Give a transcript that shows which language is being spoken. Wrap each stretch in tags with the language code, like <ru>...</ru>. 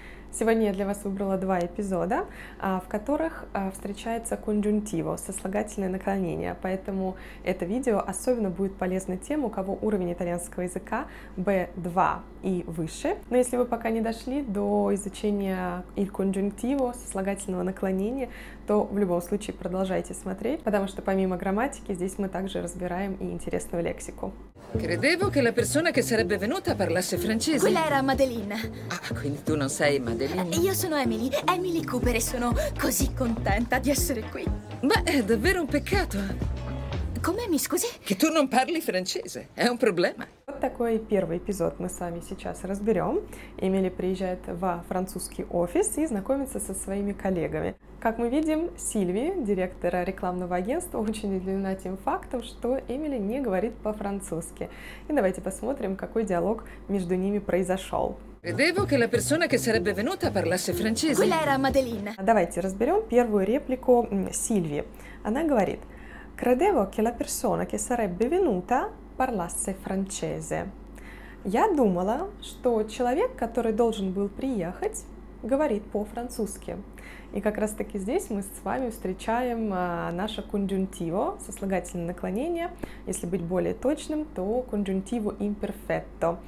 <ru>Сегодня я для вас выбрала два эпизода, в которых встречается конъюнктиво, сослагательное наклонение, поэтому это видео особенно будет полезно тем, у кого уровень итальянского языка B2 и выше. Но если вы пока не дошли до изучения il congiuntivo, сослагательного наклонения, то в любом случае продолжайте смотреть, потому что помимо грамматики здесь мы также разбираем и интересную лексику.</ru> <it>Credevo che la persona che sarebbe venuta parlasse francese. Quella era Madeline. Ah, quindi tu non sei Madeline? Io sono Emily, Emily Cooper, e sono così contenta di essere qui. Beh, è davvero un peccato. Come, mi scusi? Che tu non parli francese, è un problema.</it> <ru>Вот такой первый эпизод мы с вами сейчас разберем. Эмили приезжает во французский офис и знакомится со своими коллегами. Как мы видим, Сильви, директора рекламного агентства, очень удивлена тем фактом, что Эмили не говорит по-французски. И давайте посмотрим, какой диалог между ними произошел.</ru> <it>Credevo che la persona che sarebbe venuta parlasse francese. Quella era Madeline.</it> <ru>Давайте разберем первую реплику Сильви. Она говорит:</ru> <it>Credevo che la persona che sarebbe venuta parlasse francese.</it> <ru>Я думала, что человек, который должен был приехать, говорит по-французски. И как раз таки здесь мы с вами встречаем наше конъюнктиво, сослагательное наклонение. Если быть более точным, то конъюнктиво имперфетто.</ru>